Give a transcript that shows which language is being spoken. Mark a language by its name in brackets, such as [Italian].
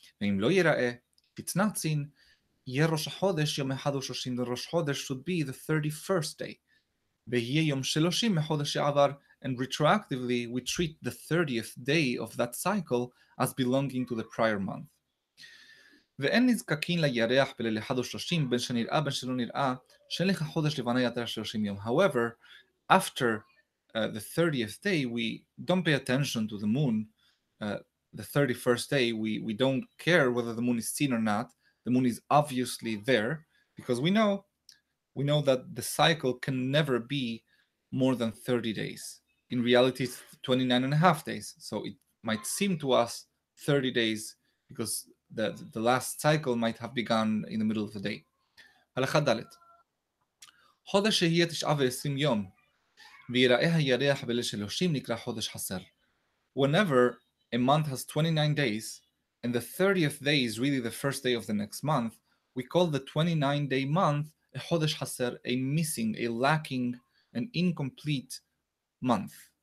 [English] If it's not seen, Rosh Chodesh, [Hebrew] Yom Echad U'Shloshim, [English] the Rosh Chodesh should be the 31st day. And retroactively, we treat the 30th day of that cycle as belonging to the prior month. [Hebrew] ואין נזקקין לירח בליל 31, בין שנראה בין שלא נראה, שאין לך חודש לבנה יתר 30 יום. [English] However, after the 30th day, we don't pay attention to the moon. The 31st day, we don't care whether the moon is seen or not. The moon is obviously there, because we know that the cycle can never be more than 30 days. in reality, it's 29 and a half days. So it might seem to us 30 days because the last cycle might have begun in the middle of the day. [Hebrew] הלכה ד' חודש שהיה 29 יום ויראה הירח ב-30 נקרא חודש חסר. [English] Whenever a month has 29 days, and the 30th day is really the first day of the next month, we call the 29-day month a chodesh haser, a missing, a lacking, an incomplete month.